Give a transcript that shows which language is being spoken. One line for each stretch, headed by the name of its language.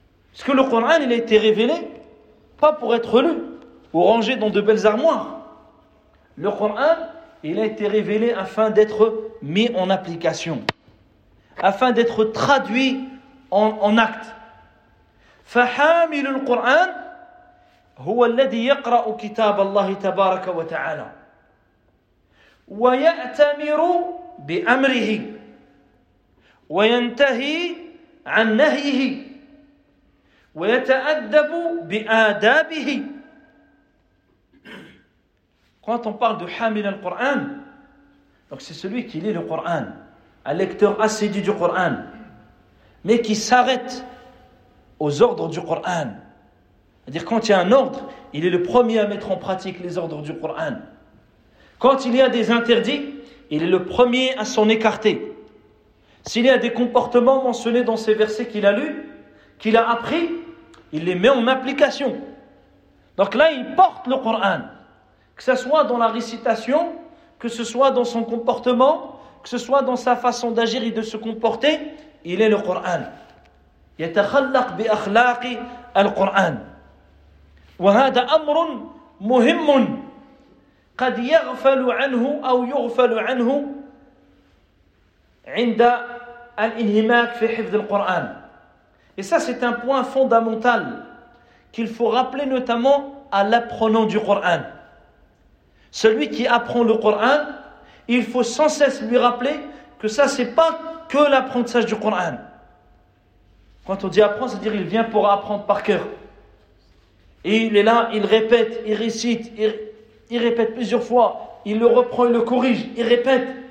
French: Parce que le Coran il a été révélé pas pour être lu ou rangé dans de belles armoires. Le Coran, il a été révélé afin d'être mis en application, afin d'être traduit en acte.
Arabic: فحامل القرآن هو الذي يقرأ كتاب الله تبارك وتعالى ويأتمر بأمره وينتهي عن نهيه ويتأدب بآدابه.
French: Quand on parle de
Arabic: حامل القرآن,
French: donc c'est celui qui lit le Coran, un lecteur assidu du Coran, mais qui s'arrête aux ordres du Coran. C'est-à-dire quand il y a un ordre, il est le premier à mettre en pratique les ordres du Coran. Quand il y a des interdits, il est le premier à s'en écarter. S'il y a des comportements mentionnés dans ces versets qu'il a lus, qu'il a appris, il les met en application. Donc là, il porte le Coran. Que ce soit dans la récitation, que ce soit dans son comportement, que ce soit dans sa façon d'agir et de se comporter, il est le Coran.
Arabic: يتخلق بأخلاق القرآن وهذا أمر مهم قد يغفل عنه أو يغفل عنه عند الانهماك في حفظ القرآن.
French: Et ça, c'est un point fondamental qu'il faut rappeler notamment à l'apprenant du Coran. Celui qui apprend le Coran, il faut sans cesse lui rappeler que ça, c'est pas que l'apprentissage du Coran. Quand on dit apprendre, c'est-à-dire il vient pour apprendre par cœur. Et il est là, il répète, il récite, il répète plusieurs fois, il le reprend, il le corrige, il répète.